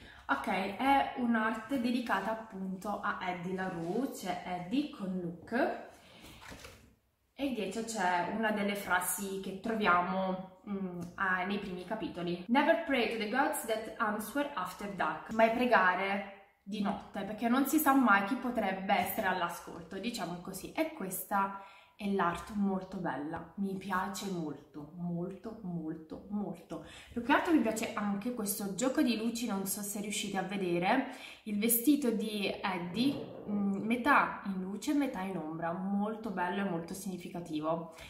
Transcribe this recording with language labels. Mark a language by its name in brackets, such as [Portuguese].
[Italian] Ok, è un'arte dedicata appunto a Eddie LaRue, c'è Eddie con Luke e dietro c'è una delle frasi che troviamo nei primi capitoli. [English] Never pray to the gods that answer after dark. [Italian] Mai pregare di notte, perché non si sa mai chi potrebbe essere all'ascolto, diciamo così. E questa è l'arte molto bella, mi piace molto, molto, molto, molto. Più che altro mi piace anche questo gioco di luci, non so se riuscite a vedere, il vestito di Eddie, metà in luce e metà in ombra, molto bello e molto significativo.